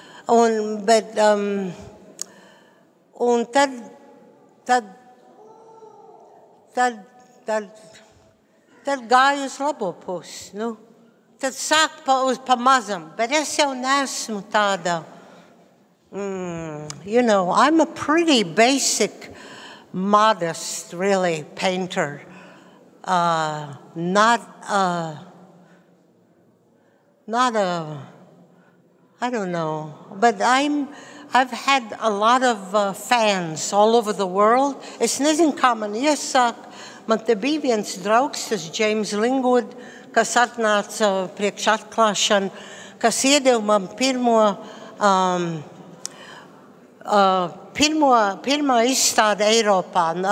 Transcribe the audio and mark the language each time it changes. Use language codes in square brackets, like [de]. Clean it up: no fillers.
[lv] Un, bet, un tad gāju uz labo pusi. Nu? Tad sāku pa mazam, bet es jau neesmu tāda. [en] You know, I'm a pretty basic, modest, really, painter. But I've had a lot of fans all over the world. [lv] Es nezinu, kā man iesāk. Man te bija viens draugs, tas James Lingwood, kas atnāca priekš atklāšanu, kas iedeva man pirmā izstāde Eiropā.